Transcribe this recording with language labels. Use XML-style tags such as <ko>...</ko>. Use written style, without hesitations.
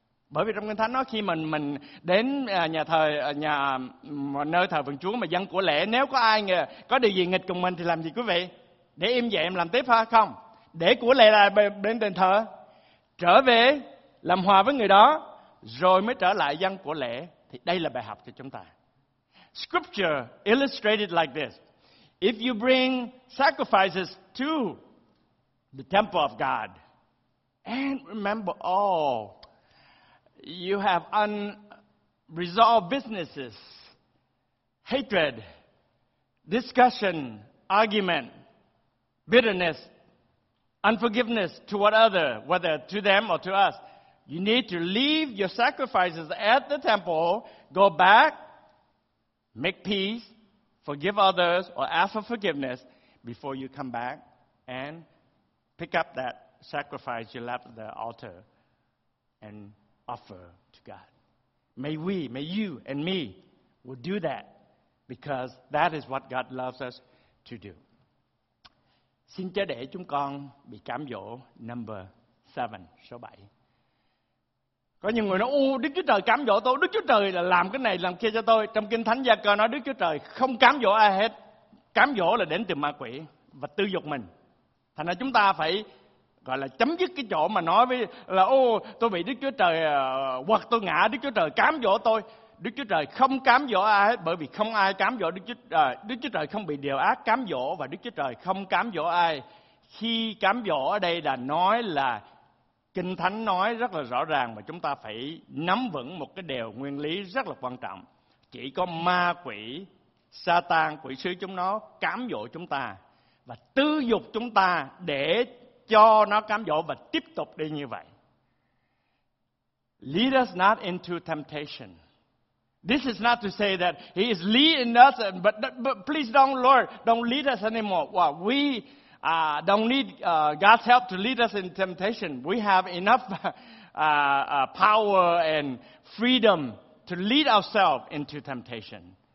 <vi>Bởi vì trong Kinh Thánh nói khi mình đến nhà thờ, nhà nơi thờ phượng Chúa mà dân của lễ, nếu có ai có điều gì nghịch cùng mình thì làm gì quý vị? Để im vậy em làm tiếp ha? Không, để của lễ là bên đền thờ, trở về làm hòa với người đó rồi mới trở lại dân của lễ. Thì đây là bài học cho chúng ta.</vi> <en>Scripture illustrated like this: if you bring sacrifices to the temple of God and remember all you have unresolved businesses, hatred, discussion, argument, bitterness, unforgiveness toward other, whether to them or to us, you need to leave your sacrifices at the temple, go back, make peace, forgive others, or ask for forgiveness before you come back and pick up that sacrifice you left at the altar and offer to God. May you and me will do that, because that is what God loves us to do.</en> <vi>Xin cho để chúng con bị cám dỗ,</vi> <en>number 7,</en> <vi>số 7. Có nhiều người nói, Đức Chúa Trời cám dỗ tôi, Đức Chúa Trời là làm cái này làm kia cho tôi. Trong Kinh Thánh Gia-cơ nói Đức Chúa Trời không cám dỗ ai hết. Cám dỗ là đến từ ma quỷ và tư dục mình. Thành ra chúng ta phải gọi là chấm dứt cái chỗ mà nói với là tôi bị Đức Chúa Trời hoặc tôi ngã, Đức Chúa Trời cám dỗ tôi. Đức Chúa Trời không cám dỗ ai hết, bởi vì không ai cám dỗ Đức Chúa Trời không bị điều ác cám dỗ, và Đức Chúa Trời không cám dỗ ai. Khi cám dỗ ở đây là nói là Kinh Thánh nói rất là rõ ràng, và chúng ta phải nắm vững một cái điều nguyên lý rất là quan trọng. Chỉ có ma quỷ, Satan, quỷ sứ chúng nó cám dỗ chúng ta và tư dục chúng ta để cho nó cám dỗ và tiếp tục đi như vậy.</vi> <en>Lead us not into temptation. This is not to say that he is leading us, but please don't, Lord, don't lead us anymore. Well, we don't need God's help to lead us in temptation. We have enough power and freedom to lead ourselves into temptation.</en>